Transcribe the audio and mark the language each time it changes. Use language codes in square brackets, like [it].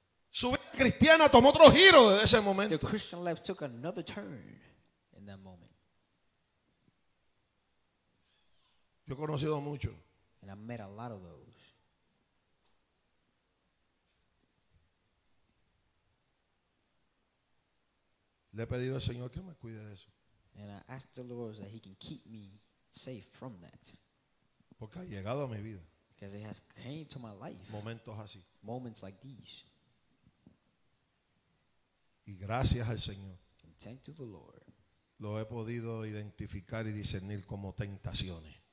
[es] Su vida cristiana tomó otro giro desde ese momento. [en] The Christian life took another turn in that moment. [es] Yo he conocido mucho. [en] And I met a lot of those. [es] Le he pedido al Señor que me cuide de eso. [en] And I asked the Lord that he can keep me safe from that. [es] Porque ha llegado a mi vida. [en] Because it has came to my life. [es] Momentos así. [en] Moments like these. [es] Y gracias al Señor. [en] And thank to the Lord. [es] Lo he podido identificar y discernir como tentaciones.